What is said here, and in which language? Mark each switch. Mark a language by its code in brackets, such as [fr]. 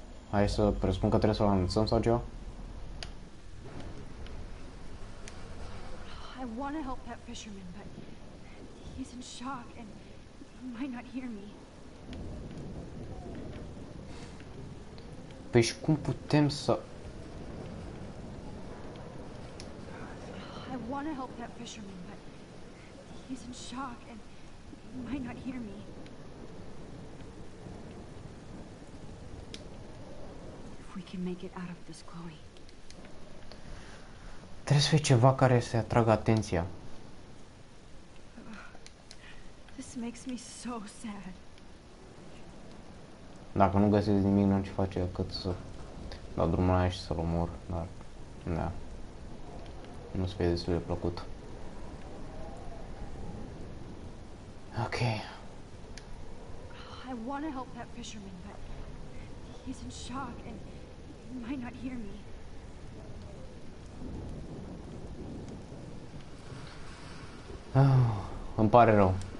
[ro] Hai să presupun că trebuie să-l anunțăm sau ceva? [en] I want to help that fisherman, but he's in shock and he might not hear me. [ro] Păi și cum putem să... [en] I want to help that fisherman, but he's in shock and he might not hear me. We can make it out of this, Chloe. [ro] Trebuie să fie ceva care să atragă atenția. [en] This makes me so sad. [ro] Dacă nu găsesc nimic, n-am ce face decât să dau drumul aia și să-l omor, dar da. Nu se vede destul de plăcut. Ok. [en] I want to help that fisherman, but he's in shock and might not hear me. [ro] Îmi pare rău.